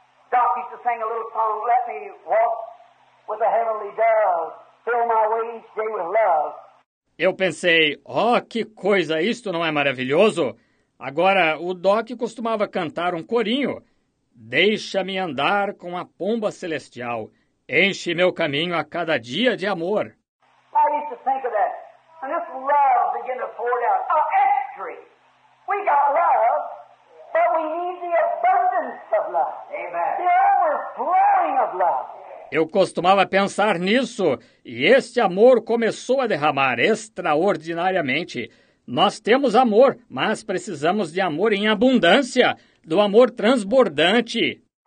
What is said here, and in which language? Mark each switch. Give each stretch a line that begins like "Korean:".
English: Doc used to sing a little song, "Let me walk with the heavenly dove, fill my way each day with love."
Portuguese: Eu pensei, oh, que coisa, isto não é maravilhoso? Agora, o Doc costumava cantar um corinho. Deixa-me andar com a pomba celestial. Enche meu caminho a cada dia de amor.
English: I used to think of that. And this love began to pour down. Oh, extra. We got love, but we need the abundance of love. Amen. The overflowing of love.
Portuguese: Eu costumava pensar nisso, e este amor começou a derramar extraordinariamente. Nós temos amor, mas precisamos de amor em abundância, do amor transbordante.